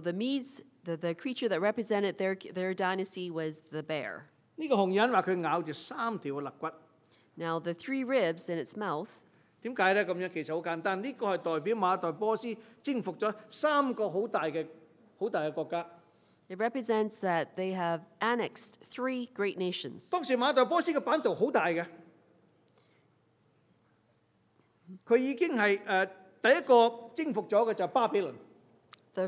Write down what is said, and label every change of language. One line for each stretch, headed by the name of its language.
English: the Medes, the creature that represented their dynasty was the bear.
Chinese: 这个红人说他咬着三条肋骨。
English: Now the three ribs in its mouth.
Chinese: 为什么呢?这样其实很简单,这个是代表马代波斯征服了三个很大的国家。
English: It represents that they have annexed three great nations.
Chinese: 当时马代波斯的版图很大的。他已经是第一个征服了的就是巴比伦。
English: The